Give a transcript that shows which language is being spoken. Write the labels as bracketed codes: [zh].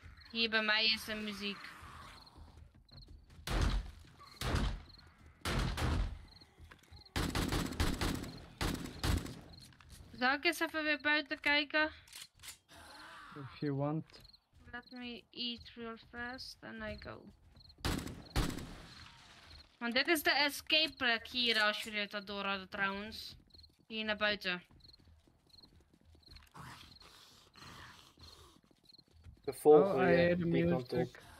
[nl] Hier bij mij is de muziek. Zal ik eens even weer buiten kijken? [en] If you want. Let me eat real fast and I go. [nl] Want dit is de escape plek hier, als jullie het al door hadden trouwens. Hier naar buiten. De volgende kant op.